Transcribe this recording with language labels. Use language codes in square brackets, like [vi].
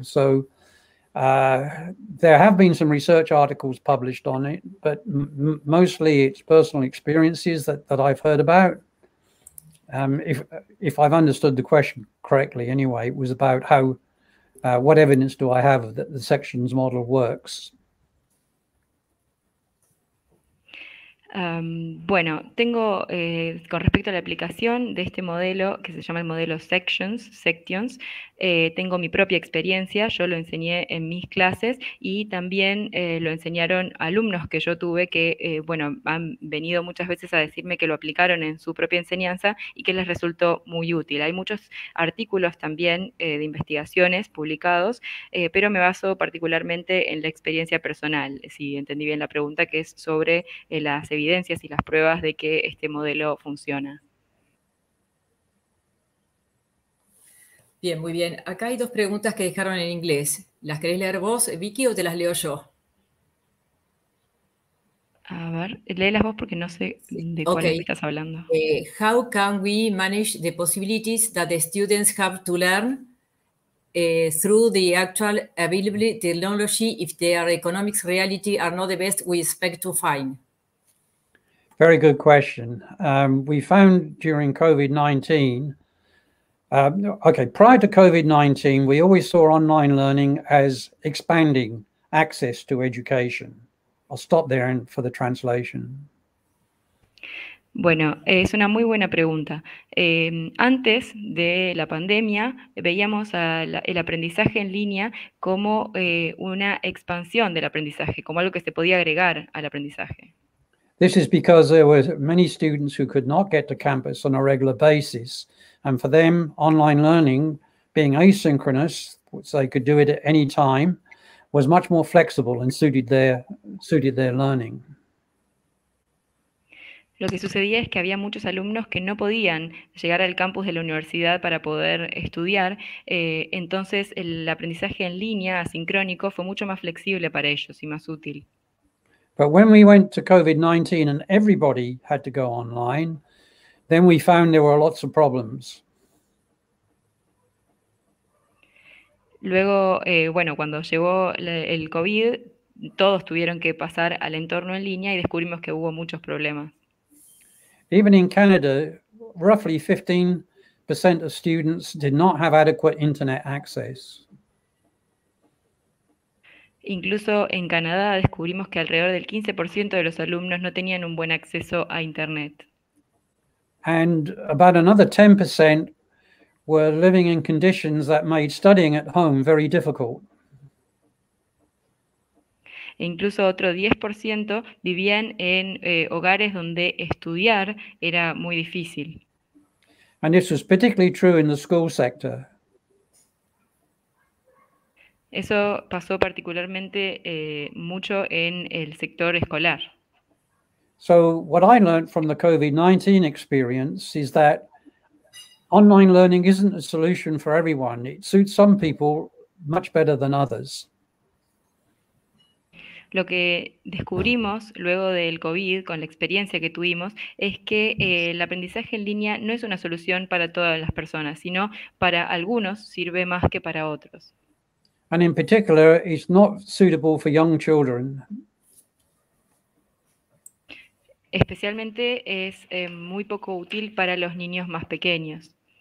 [en] So there have been some research articles published on it, but mostly it's personal experiences that I've heard about. If I've understood the question correctly, anyway, it was about how what evidence do I have that the sections model works? [es] Bueno, tengo con respecto a la aplicación de este modelo que se llama el modelo Sections, tengo mi propia experiencia, yo lo enseñé en mis clases y también lo enseñaron alumnos que yo tuve que, bueno, han venido muchas veces a decirme que lo aplicaron en su propia enseñanza y que les resultó muy útil. Hay muchos artículos también de investigaciones publicados, pero me baso particularmente en la experiencia personal, si entendí bien la pregunta, que es sobre las evidencias y las pruebas de que este modelo funciona. Bien, muy bien. Acá hay dos preguntas que dejaron en inglés. ¿Las querés leer vos, Vicky, o te las leo yo? A ver, léelas vos porque no sé de cuál okay. estás hablando. [en] How can we manage the possibilities that the students have to learn through the actual available technology if their economic reality are not the best we expect to find? Very good question. We found during COVID-19, prior to COVID-19, we always saw online learning as expanding access to education. I'll stop there for the translation. [es] Bueno, es una muy buena pregunta. Antes de la pandemia, veíamos el aprendizaje en línea como una expansión del aprendizaje, como algo que se podía agregar al aprendizaje. [en] This is because there were many students who could not get to campus on a regular basis. And for them, online learning, being asynchronous, which they could do it at any time, was much more flexible and suited their learning. [es] Lo que sucedía es que había muchos alumnos que no podían llegar al campus de la universidad para poder estudiar. Entonces, el aprendizaje en línea, asincrónico, fue mucho más flexible para ellos y más útil. [en] But when we went to COVID-19 and everybody had to go online, then we found there were lots of problems. [es] Luego, bueno, cuando llegó el COVID, todos tuvieron que pasar al entorno en línea y descubrimos que hubo muchos problemas. [en] Even in Canada, roughly 15% of students did not have adequate internet access. [es] Incluso en Canadá descubrimos que alrededor del 15% de los alumnos no tenían un buen acceso a internet. [en] And about another 10% were living in conditions that made studying at home very difficult. [es] E incluso otro 10% vivían en hogares donde estudiar era muy difícil. [en] And this was particularly true in the school sector. [es] Eso pasó particularmente mucho en el sector escolar. [en] So what I learned from the COVID-19 experience is that online learning isn't a solution for everyone. It suits some people much better than others. [es] Lo que descubrimos luego del COVID, con la experiencia que tuvimos, es que el aprendizaje en línea no es una solución para todas las personas, sino para algunos sirve más que para otros. [en] And in particular, it's not suitable for young children. [es] Especialmente es muy poco útil para los niños más pequeños.